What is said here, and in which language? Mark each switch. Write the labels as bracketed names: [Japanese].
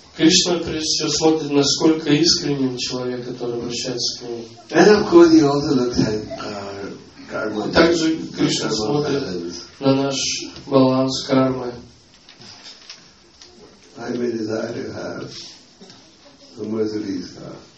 [Russian] Кришна прежде всего смотрит, насколько искренним человек, который обращается к нему. [English] And of course, he also looks at karma. [Russian] Также Кришна смотрит на наш баланс кармы. [English] I may desire to have the Mercedes car.